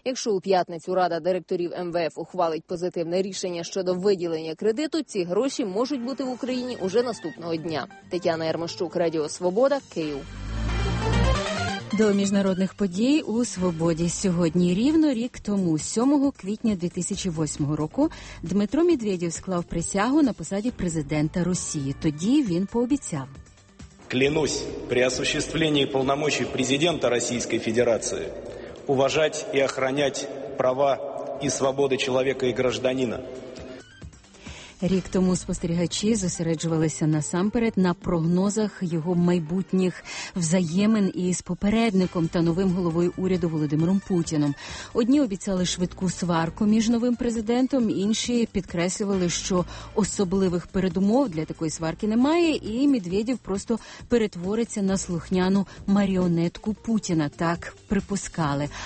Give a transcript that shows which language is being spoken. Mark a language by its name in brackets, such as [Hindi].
[Ukrainian] Якщо у п'ятницю Рада директорів МВФ ухвалить позитивне рішення щодо виділення кредиту, ці гроші можуть бути в Україні уже наступного дня. Тетяна Ярмощук, Радіо Свобода, Київ. До міжнародних подій у Свободі сьогодні рівно рік тому, 7 квітня 2008 року, Дмитро Медведєв склав присягу на посаді президента Росії. Тоді він пообіцяв. [Russian] Клянусь при осуществлении полномочий президента Российской Федерации уважать и охранять права и свободы человека и гражданина. [Ukrainian] Рік тому спостерігачі зосереджувалися насамперед на прогнозах його майбутніх взаємин із попередником та новим головою уряду Володимиром Путіним. Одні обіцяли швидку сварку між новим президентом, інші підкреслювали, що особливих передумов для такої сварки немає, і Медведєв просто перетвориться на слухняну маріонетку Путіна, так припускали.